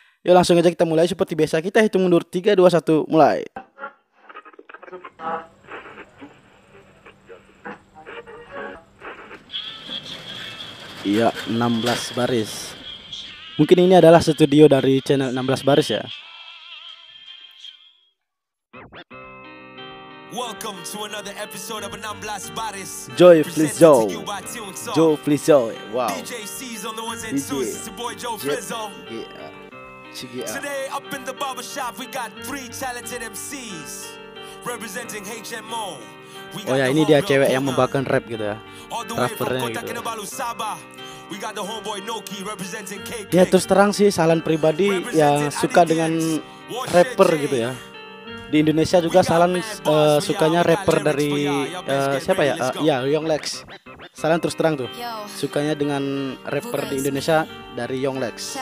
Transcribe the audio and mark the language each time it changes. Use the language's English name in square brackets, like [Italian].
[Indonesian] Yuk, langsung aja kita mulai seperti biasa. Kita hitung mundur 3 2 1 mulai. Ya, 16 Baris. Mungkin ini adalah studio dari channel 16 Baris ya. [English] Welcome to another episode of 16 Baris. Joy Flizzo. Joe Flizzo. Joe Flizzo. Wow. DJ C's on the ones and twos. It's your boy Joe Flizzo. Yeah. Check it out. Today up in the barbershop we got three talented MCs representing HMO. [Indonesian] Oh ya, ini dia cewek yang membawakan rap gitu ya. Rappernya gitu. [English] We got the homeboy Noki representing KK. [Indonesian] Ya, terus terang sih Sahlan pribadi ya suka dengan rapper gitu ya. Di Indonesia juga Sahlan sukanya rapper dari siapa ya? Ya, Young Lex. Sahlan terus terang tuh sukanya dengan rapper di Indonesia dari Young Lex.